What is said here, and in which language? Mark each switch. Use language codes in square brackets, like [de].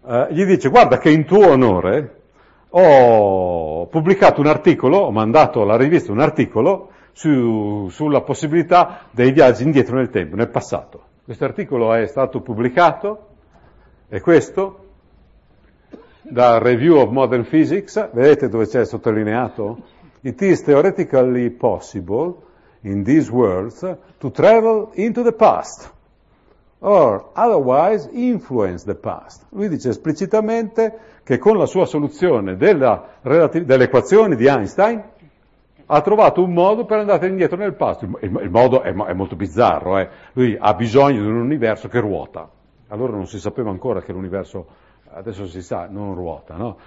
[it] Gli dice, guarda che in tuo onore ho pubblicato un articolo, ho mandato alla rivista un articolo sulla possibilità dei viaggi indietro nel tempo, nel passato. Questo articolo è stato pubblicato, è questo, da Review of Modern Physics, vedete dove c'è sottolineato? [en] It is theoretically possible, in these words, to travel into the past, or otherwise influence the past. [it] Lui dice esplicitamente che con la sua soluzione delle equazioni di Einstein ha trovato un modo per andare indietro nel passato. Il modo è molto bizzarro, eh? Lui ha bisogno di un universo che ruota. Allora non si sapeva ancora che l'universo, adesso si sa, non ruota, no?